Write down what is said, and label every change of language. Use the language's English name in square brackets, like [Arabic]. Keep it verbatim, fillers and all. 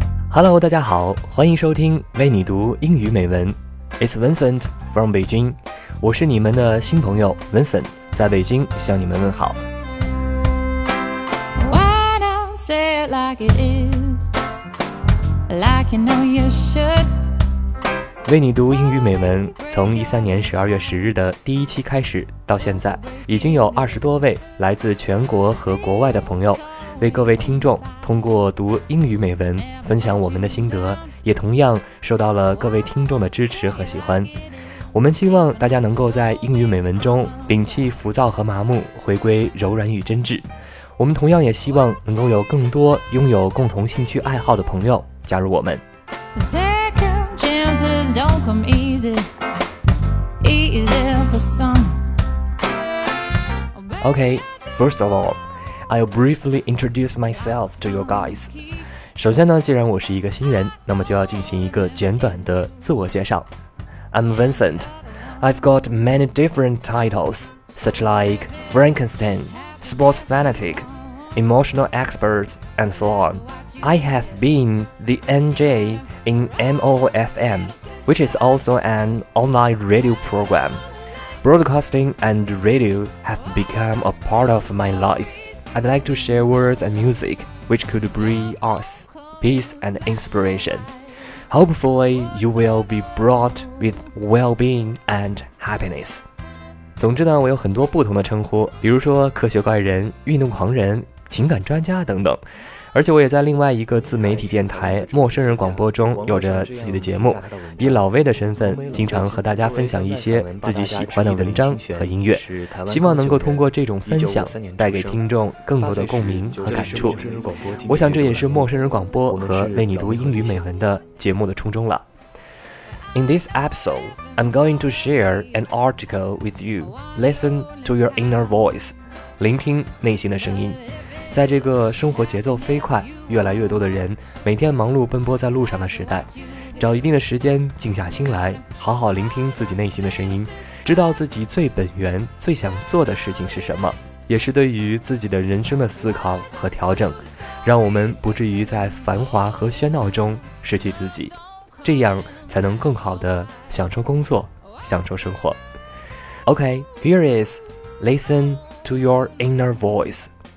[Chinese] Hello， 大家好，欢迎收听为你读英语美文。 [English] It's Vincent from Beijing， [Chinese] 我是你们的新朋友 Vincent， 在北京向你们问好。 [English] Why don't say it like it is, like you know you should. [Chinese] 为你读英语美文，从二零一三年十二月十日的第一期开始到现在，已经有二十多位来自全国和国外的朋友。为各位听众通过读英语美文分享我们的心得，也同样受到了各位听众的支持和喜欢。我们希望大家能够在英语美文中摒弃浮躁和麻木，回归柔软与真挚。我们同样也希望能够有更多拥有共同兴趣爱好的朋友加入我们。 [English] Second chances don't come easy, easy for some. Okay, first of all. I'll briefly introduce myself to you guys. [Chinese] 首先呢，既然我是一个新人，那么就要进行一个简短的自我介绍。 [English] I'm Vincent. I've got many different titles, such like Frankenstein, sports fanatic, emotional expert, and so on. I have been the N J in M O F M, which is also an online radio program. Broadcasting and radio have become a part of my life. I'd like to share words and music which could bring us peace and inspiration. Hopefully, you will be brought with well-being and happiness. [Chinese] 总之呢，我有很多不同的称呼，比如说科学怪人、运动狂人、情感专家等等。而且我也在另外一个自媒体电台陌生人广播中有着自己的节目，以老威的身份经常和大家分享一些自己喜欢的文章和音乐，希望能够通过这种分享带给听众更多的共鸣和感触。我想这也是陌生人广播和为你读英语美文的节目的初衷了。 [English] In this episode, I'm going to share an article with you. Listen to your inner voice. [Chinese] 聆听内心的声音。在这个生活节奏飞快，越来越多的人每天忙碌奔波在路上的时代，找一定的时间静下心来，好好聆听自己内心的声音，知道自己最本源最想做的事情是什么，也是对于自己的人生的思考和调整，让我们不至于在繁华和喧闹中失去自己，这样才能更好地享受工作，享受生活。 [English] Okay, here is Listen to your inner voice.